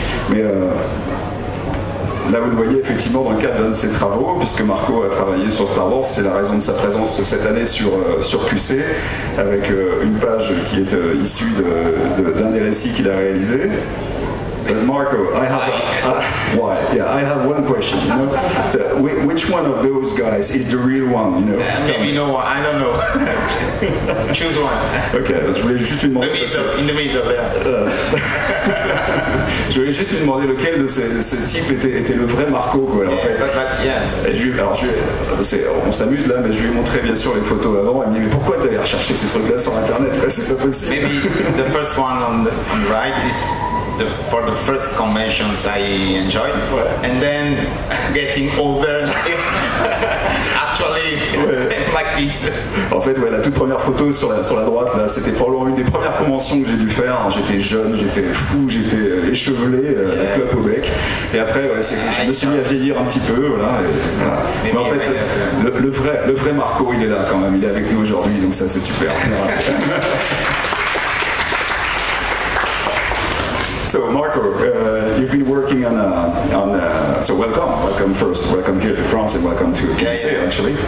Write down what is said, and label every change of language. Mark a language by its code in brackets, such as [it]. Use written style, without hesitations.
[fr] Mais là vous le voyez effectivement dans le cadre d'un de ses travaux, puisque Marco a travaillé sur Star Wars, c'est la raison de sa présence cette année sur QC, avec une page qui est issue d'un des récits qu'il a réalisé. [en] But Marco, I have one question. You know, so which one of those guys is the real one? You know, maybe no one. I don't know. Choose one. [fr] Okay, je voulais juste demander. [en] The middle, in the middle, yeah. [fr] Je voulais juste demander lequel de ces types était le vrai Marco, quoi. Yeah, en fait. [en] But yeah. [fr] Et on s'amuse là, mais je lui ai montré bien sûr les photos avant. Elle m'a dit, mais pourquoi t'as recherché ces trucs-là sur Internet? Ouais, c'est pas possible. [en] Maybe the first one on the right is. For the first conventions I enjoyed, ouais. And then getting older, actually, ouais. Like this. [fr] En fait, ouais, la toute première photo sur la droite, là, c'était probablement une des premières conventions que j'ai dû faire. J'étais jeune, j'étais fou, j'étais échevelé, la clope au bec. Et après, ouais, je me suis mis à vieillir un petit peu, voilà. Mais en fait, le vrai Marco, il est là quand même, il est avec nous aujourd'hui, donc ça c'est super. [en] So Marco, you've been working so welcome first, welcome here to France and welcome to KC actually.